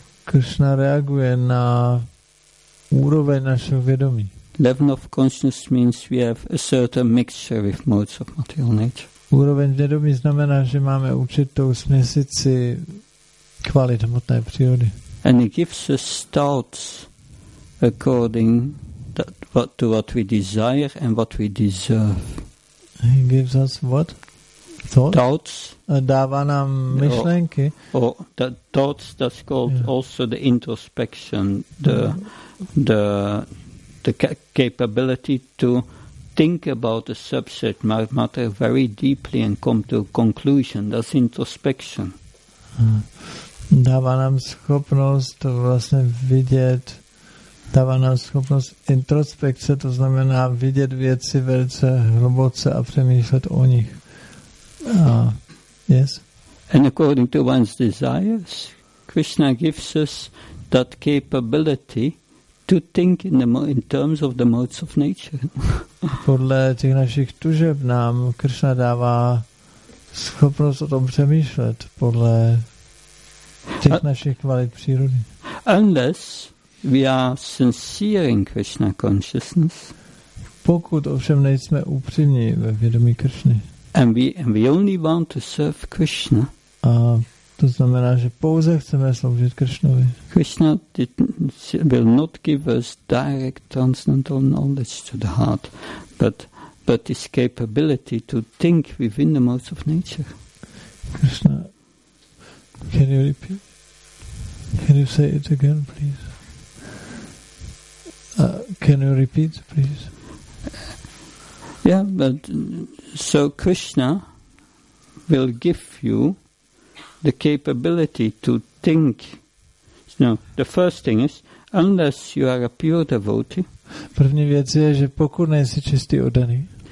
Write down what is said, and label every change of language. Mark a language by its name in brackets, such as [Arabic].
[Czech] Krishna reaguje na úroveň našeho vědomí. [English] Level of consciousness means we have a certain mixture with modes of material nature. [Czech] Úroveň vědomí znamená, že máme určitou směsici kvalit hmotné přírody. [English] And it gives us thoughts according to what we desire and what we deserve. He gives us what? Thoughts. [Czech] A dává nám myšlenky. [English] Or the thoughts, that's called also the introspection, the capability to think about the subject matter very deeply and come to a conclusion. That's introspection. [Czech] Dává nám schopnost vlastně vidět, dává nám schopnost introspekce, to znamená vidět věci velice hluboce a přemýšlet o nich. [English] Yes. And according to one's desires, Krishna gives us that capability to think in terms of the modes of nature. [Czech] Podle těch našich tužeb nám Krishna dává schopnost o tom přemýšlet podle těch našich kvalit přírody. [English] Unless we are sincere in Krishna consciousness. [Czech] Pokud ovšem nejsme upřímní ve vědomí Krishny. [English] And we only want to serve Krishna. [Czech] A to znamená, že pouze chceme sloužit Krishnovi. [English] Krishna will not give us direct transcendental knowledge to the heart, but this capability to think within the modes of nature. Krishna, can you repeat? Can you say it again, please? Can you repeat, please? Yeah, but so Krishna will give you the capability to think. No, the first thing is, unless you are a pure devotee. [Czech] První věc je, že pokud nejsi čistý oddaný.